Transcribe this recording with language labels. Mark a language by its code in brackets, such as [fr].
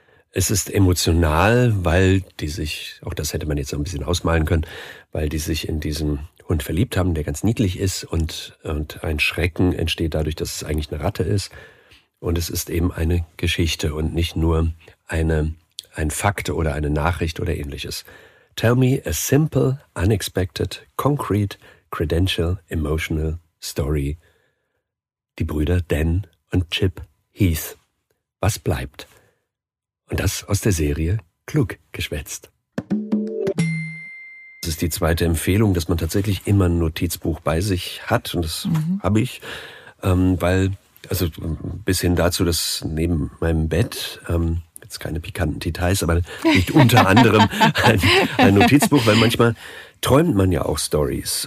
[de] Es ist emotional, weil die sich, auch das hätte man jetzt so ein bisschen ausmalen können, weil die sich in diesen Hund verliebt haben, der ganz niedlich ist, und ein Schrecken entsteht dadurch, dass es eigentlich eine Ratte ist. Und es ist eben eine Geschichte und nicht nur ein Fakt oder eine Nachricht oder ähnliches. [en] Tell me a simple, unexpected, concrete, credential, emotional story. [de] Die Brüder Dan und Chip Heath. Was bleibt? Und das aus der Serie Klug geschwätzt. Das ist die zweite Empfehlung, dass man tatsächlich immer ein Notizbuch bei sich hat. Und das habe ich, weil, also bis hin dazu, dass neben meinem Bett, jetzt keine pikanten Details, aber liegt unter anderem ein Notizbuch, weil manchmal träumt man ja auch Stories.